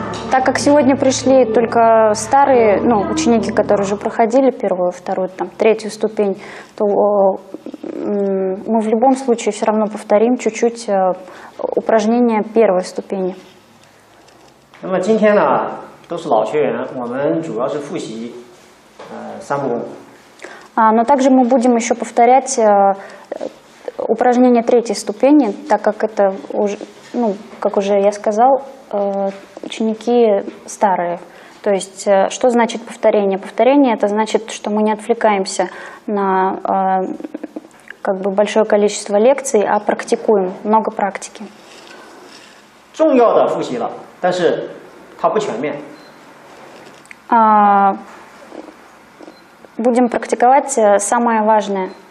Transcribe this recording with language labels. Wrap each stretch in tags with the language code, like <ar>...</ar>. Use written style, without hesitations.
<ru>Так как сегодня пришли только старые, ну, ученики, которые уже проходили первую, вторую, там, третью ступень, то мы в любом случае все равно повторим чуть-чуть упражнения первой ступени.</ru> <zh>那么今天呢, 都是老学员, 我们主要是复习, 三部分。</zh> <ru>Но также мы будем еще повторять упражнение третьей ступени, так как это уже, ну, как уже я сказал, ученики старые. То есть, что значит повторение? Повторение — это значит, что мы не отвлекаемся на как бы большое количество лекций, а практикуем много практики.</ru> <zh>重要的复习了，但是它不全面。</zh> <ru>Будем практиковать самое важное.</ru>